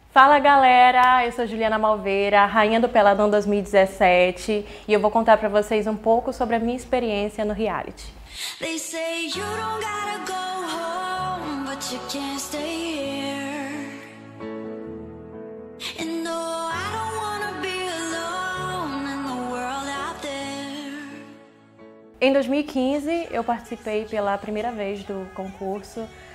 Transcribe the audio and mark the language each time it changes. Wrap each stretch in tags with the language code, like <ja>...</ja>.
<pt>Fala galera, eu sou Juliana Malveira, rainha do Peladão 2017, e eu vou contar para vocês um pouco sobre a minha experiência no reality.</pt> <en>They say you don't gotta go home, but you can't stay here. And no, I don't wanna be alone in the world out there.</en> <pt>Em 2015, eu participei pela primeira vez do concurso.</pt>